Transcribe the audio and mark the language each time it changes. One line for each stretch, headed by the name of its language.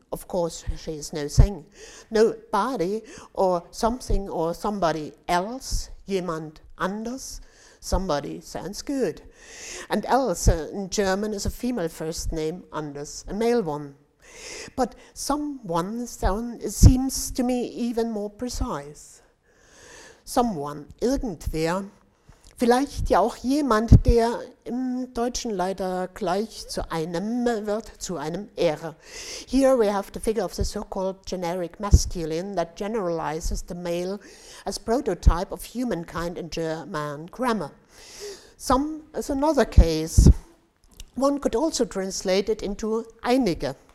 English: Of course, she is no thing, no body, or something, or somebody else,
German: jemand anders,
English: somebody sounds good. And else in German is a female first name, anders a male one. But someone seems to me even more precise. Someone, irgendwer,
German: Vielleicht ja auch jemand, der im Deutschen leider gleich zu einem wird, zu einem er.
English: Here we have the figure of the so-called generic masculine that generalizes the male as prototype of humankind in German grammar. Some is another case. One could also translate it into einige.